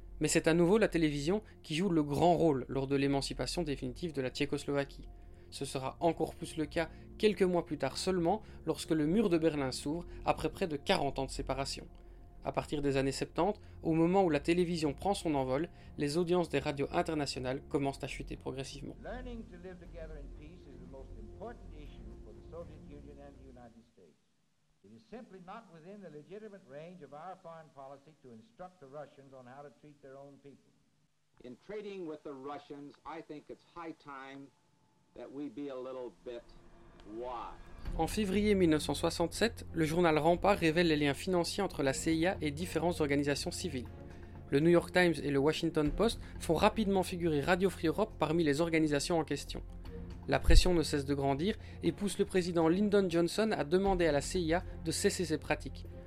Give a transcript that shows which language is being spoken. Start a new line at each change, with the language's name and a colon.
French: Mais c'est à nouveau la télévision qui joue le grand rôle lors de l'émancipation définitive de la Tchécoslovaquie. Ce sera encore plus le cas quelques mois plus tard seulement, lorsque le mur de Berlin s'ouvre après près de 40 ans de séparation. À partir des années 70, au moment où la télévision prend son envol, les audiences des radios internationales commencent à chuter progressivement.
English: Learning to live together in peace is the most important issue for the Soviet Union and the United States. It is simply not within the legitimate range of our foreign policy to instruct the Russians on how to treat their own people. In trading with the Russians, I think it's high time that we be a little bit wise.
French: En février 1967, le journal Rempart révèle les liens financiers entre la CIA et différentes organisations civiles. Le New York Times et le Washington Post font rapidement figurer Radio Free Europe parmi les organisations en question. La pression ne cesse de grandir et pousse le président Lyndon Johnson à demander à la CIA de cesser ses pratiques.